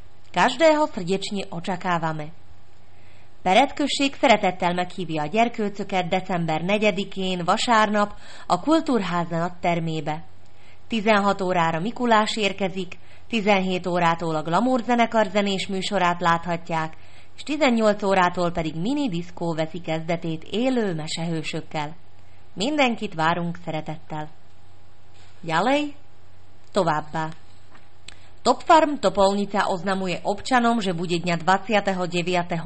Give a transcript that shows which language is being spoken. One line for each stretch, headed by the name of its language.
Slovak: Každého srdečne očakávame.
Hungarian: Peretkösség szeretettel meghívja a gyerkőcöket december 4-én vasárnap a Kultúrháza nattermébe. 16 órára Mikulás érkezik, 17 órától a Glamour zenekar zenés műsorát láthatják, és 18 órától pedig mini diszkó veszi kezdetét élő mesehősökkel. Mindenkit várunk szeretettel.
Slovak: Ďalej,
Hungarian: továbbá.
Slovak: Topfarm Topolnica oznamuje občanom, že bude dňa 29.